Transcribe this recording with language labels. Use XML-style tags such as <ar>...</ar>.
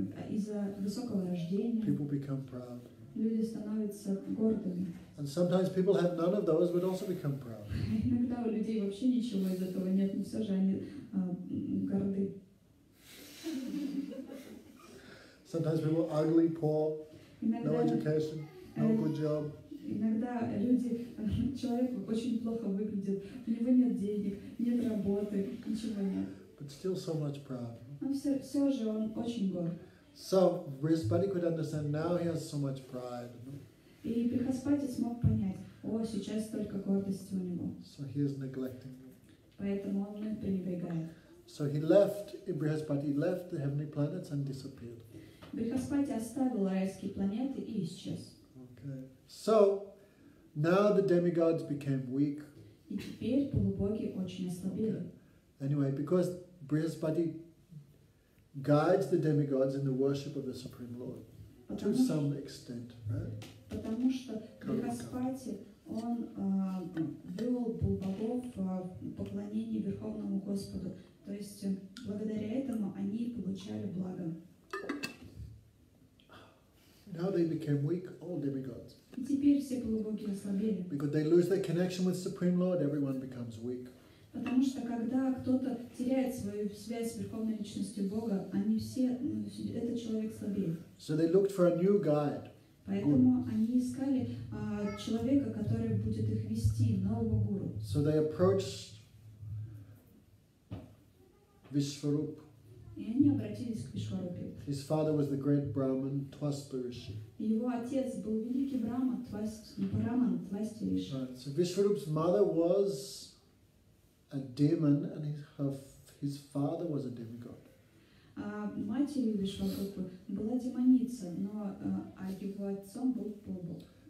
<ru>Из-за высокого рождения.</ru> <en>People become proud.</en> <ru>Люди становятся гордыми.</ru> <en>And sometimes people have none of those, but also become proud.</en> <ru>Иногда у людей вообще ничего из этого нет, но все же они горды.</ru> <en>Sometimes people are ugly, poor, no education, no good job.</en> <ru>Иногда люди, человек очень плохо выглядит, у него нет денег, нет работы, ничего нет.</ru> <en>But still so much proud.</en> <ru>Все же он очень горд.</ru> <en>So Brihaspati could understand. Now he has so much pride.</en> <ru>И Брихаспати смог понять. О, сейчас только гордость у него.</ru> <en>So he is neglecting.</en> <ru>Поэтому он не пренебрегает.</ru> <en>So he left. Brihaspati left the heavenly planets and disappeared.</en> <ru>Брихаспати оставил райские планеты и исчез.</ru> <en>Okay. So now the demigods became weak.</en> <ru>И теперь полубоги очень ослабели.</ru> <en>Okay. Anyway, because Brihaspati guides the demigods in the worship of the Supreme Lord to some extent, right?</en> <ru>Потому что Брихаспати он вел полубогов в поклонении Верховному Господу, то есть благодаря этому они получали благо.</ru> <en>Now they became weak, all demigods.</en> <ru>Теперь все полубоги ослабели.</ru> <en>Because they lose their connection with Supreme Lord, everyone becomes weak.</en> <ru>Потому что когда кто-то теряет свою связь с Верховной Личностью Бога, они все, этот человек слабее.</ru> <en>So they looked for a new guide.</en> <ru>Поэтому они искали человека, который будет их вести, нового гуру.</ru> <en>So they approached Vishwarup.</en> <ru>И они обратились к Вишварупе.</ru> <en>His father was the great Brahman Twastirishi.</en> <ru>Его отец был великий Брахман Твастириши.</ru> <en>Right. So Vishwarup's mother was a demon, and his father was a demigod.</en> <ru>Матерью Вишварупы была демоница, но его отцом был полубог.</ru>